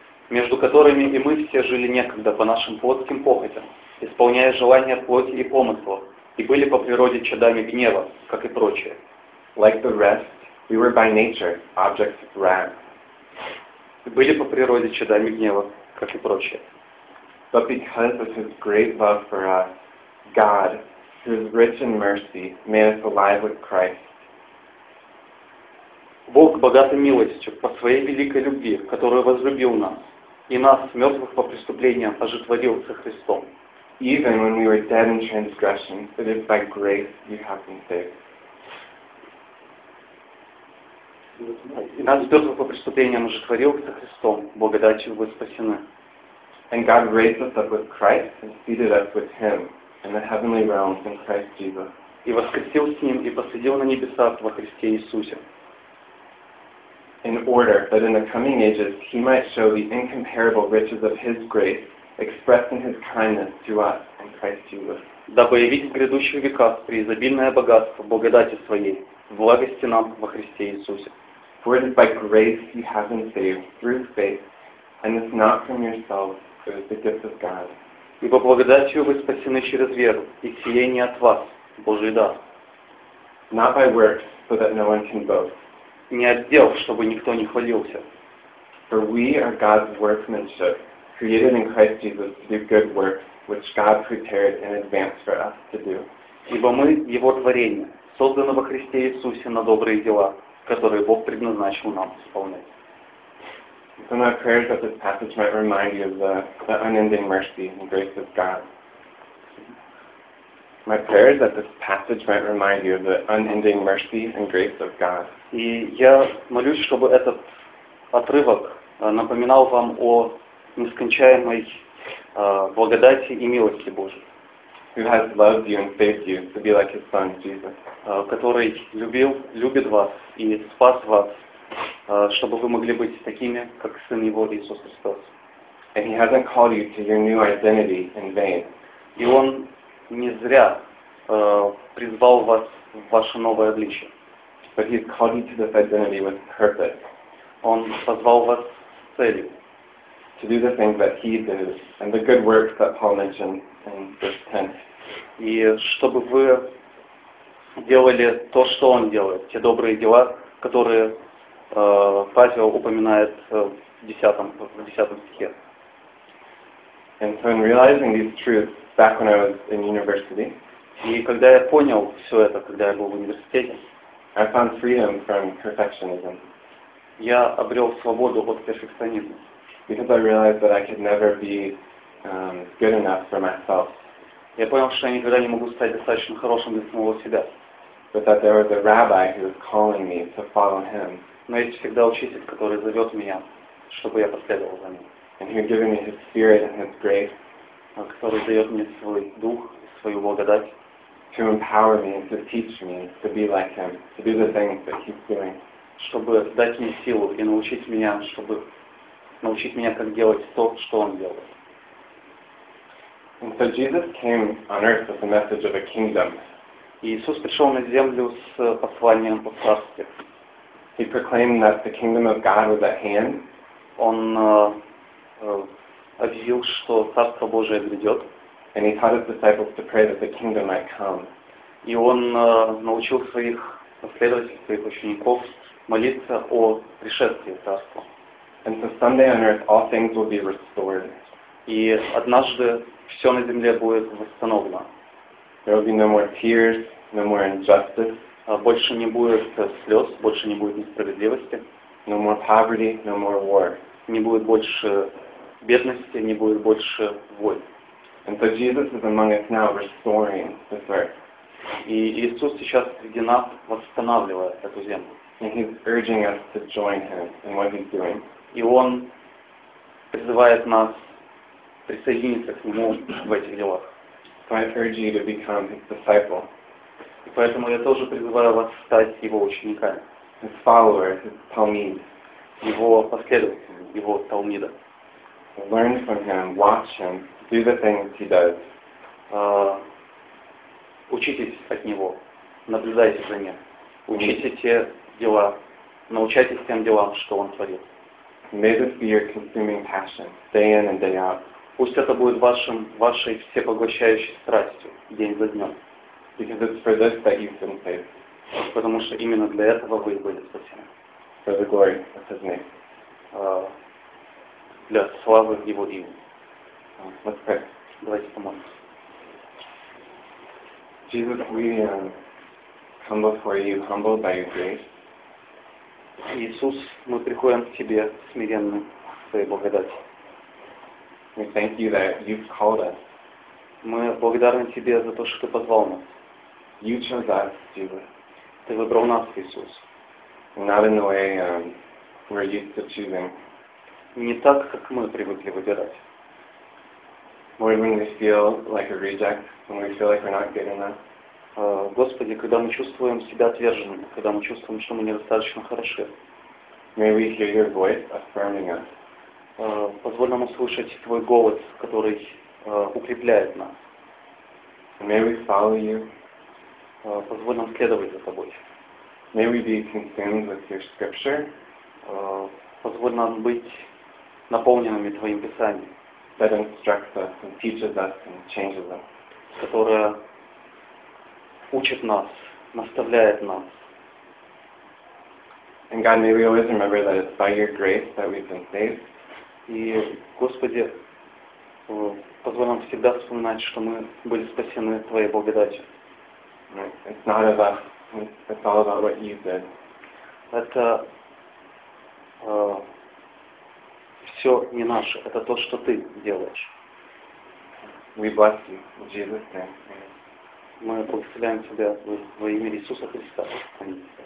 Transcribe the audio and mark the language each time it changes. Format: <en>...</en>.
<ru>Между которыми и мы все жили некогда по нашим плотским похотям, исполняя желания плоти и помыслов, и были по природе чадами гнева, как и прочее.</ru> <en>Like the rest, we were by nature objects of wrath.</en> <ru>И были по природе чадами гнева, как и прочее.</ru> <en>But because of His great love for us, God, who is rich in mercy, made us alive with Christ.</en> <ru>Бог, богатый милостью, по своей великой любви, которую возлюбил нас, и нас, мертвых по преступлениям, оживил со Христом.</ru> <en>Even when we were dead in transgression, it is by grace you have been saved.</en> <ru>И нас, мертвых по преступлениям, оживил со Христом, благодатью вы спасены.</ru> <en>And God raised us up with Christ and seated us with Him in the heavenly realms in Christ Jesus.</en> <ru>И воскресил с Ним и посадил на небесах во Христе Иисусе.</ru> <en>In order that in the coming ages He might show the incomparable riches of His grace expressed in His kindness to us in Christ Jesus.</en> <ru>Дабы явить в грядущих веках преизобильное богатство благодати Своей в благости нам во Христе Иисусе.</ru> <en>For it is by grace you have been saved through faith, and it's not from yourselves, it is the gift of God.</en> <ru>Ибо благодатью вы спасены через веру, и сие не от вас, Божий дар.</ru> <en>Not by works, so that no one can boast.</en> <ru>Не от дел, чтобы никто не хвалился.</ru> <en>For we are God's workmanship, created in Christ Jesus to do good works, which God prepared in advance for us to do.</en> <ru>Ибо мы Его творение, созданное во Христе Иисусе на добрые дела, которые Бог предназначил нам исполнять.</ru> <en>So my prayers that this passage might remind you of the unending mercy and grace of God. My prayers that this passage might remind you of the unending mercy and grace of God.</en> <ru>И я молюсь, чтобы этот отрывок напоминал вам о нескончаемой благодати и милости Божьей.</ru> <en>Who has loved you and saved you to be like His Son Jesus.</en> <ru>Который любит вас и спас вас. Чтобы вы могли быть такими, как Сын Его Иисус Христос.</ru> <en>And He hasn't called you to your new identity in vain.</en> <ru>И Он не зря призвал вас в ваше новое обличие.</ru> <en>But He has called you to this identity with purpose.</en> <ru>Он позвал вас с целью.</ru> <en>To do the things that He did and the good works that Paul mentioned in verse 10.</en> <ru>И чтобы вы делали то, что Он делает, те добрые дела, которые Павел упоминает в десятом стихе.</ru> <en>And so in realizing these truths back when I was in university,</en> <ru>и когда я понял все это, когда я был в университете,</ru> <en>I found freedom from perfectionism.</en> <ru>Я обрел свободу от перфекционизма.</ru> <en>Because I realized that I could never be good enough for myself.</en> <ru>Я понял, что я никогда не могу стать достаточно хорошим для самого себя.</ru> <en>But that there was a rabbi who was calling me to follow him.</en> <ru>Но есть всегда учитель, который зовет меня, чтобы я последовал за ним.</ru> <en>And He's given me His Spirit and His grace.</en> <ru>Который дает мне свой дух, свою благодать.</ru> <en>To empower me and to teach me to be like Him, to do the things that He's doing.</en> <ru>чтобы дать мне силу и научить меня, чтобы научить меня, как делать то, что Он делает.</ru> <en>And so Jesus came on earth with a message of a kingdom.</en> <ru>Иисус пришел на землю с посланием о царстве.</ru> <en>He proclaimed that the kingdom of God was at hand.</en> <ru>Он объявил, что Царство Божие грядет.</ru> <en>And he taught his disciples to pray that the kingdom might come.</en> <ru>И он научил своих последователей, своих учеников молиться о пришествии Царства.</ru> <en>And so someday on earth all things will be restored.</en> <ru>И однажды все на земле будет восстановлено.</ru> <en>There will be no more tears, no more injustice.</en> <ru>Больше не будет слез, больше не будет несправедливости.</ru> <en>No more poverty, no more war.</en> <ru>Не будет больше бедности, не будет больше войн.</ru> <en>And so Jesus is among us now, restoring this earth.</en> <ru>И Иисус сейчас среди нас восстанавливает эту землю.</ru> <en>And he's urging us to join him in what he's doing.</en> <ru>И он призывает нас присоединиться к нему в этих делах.</ru> <en>So I urge you to become his disciple.</en> <ru>И поэтому я тоже призываю вас стать его учениками.</ru> <en>His follower, his talmid.</en> <ru>Его последователь, его талмида.</ru> <en>Learn from him, watch him, do the things he does.</en> <ru>Учитесь от него, наблюдайте за ним. Учите те дела, научайтесь тем делам, что он творит.</ru> <en>May this be your consuming passion, day in and day out.</en> <ru>Пусть это будет вашей всепоглощающей страстью день за днем.</ru> <en>Because it's for this that you've been saved.</en> <ru>Потому что именно для этого вы были спасены.</ru> <en>For the glory of his name.</en> <ru>Для славы его имени.</ru> <en>Let's pray.</en> <ru>Давайте помолимся.</ru> <en>Jesus, we come before you, humbled by your grace.</en> <ru>Иисус, мы приходим к тебе смиренны своей благодати.</ru> <en>We thank you that you've called us.</en> <ru>Мы благодарны тебе за то, что ты позвал нас.</ru> <en>You chose us, Jesus.</en> <ru>Ты выбрал нас, Иисус.</ru> <en>Not in the way we're used to choosing.</en> <ru>Не так, как мы привыкли выбирать.</ru> <en>Or when we feel like a reject, when we feel like we're not good enough.</en> <ru>Господи, когда мы чувствуем себя отверженными, когда мы чувствуем, что мы недостаточно хороши.</ru> <en>May we hear your voice affirming us.</en> <ru>Позволь нам услышать твой голос, который укрепляет нас.</ru> <en>May we follow you.</en> <ru>Позволь нам следовать за тобой.</ru> <en>May we be consumed with your scripture.</en> <ru>Позволь нам быть наполненными твоим писанием.</ru> <en>That instructs us and teaches us and changes us.</en> <ru>Которая учит нас, наставляет нас.</ru> <en>And God, may we always remember that it's by your grace that we've been saved.</en> <ru>И, Господи, позволь нам всегда вспоминать, что мы были спасены твоей благодатью.</ru> <en>It's not about, it's all about what you did.</en> <ru>Это все не наше, это то, что ты делаешь.</ru> <en>We bless you, Jesus. Amen.</en> <ru>Мы благословляем тебя во имя Иисуса Христа. Аминь.</ru>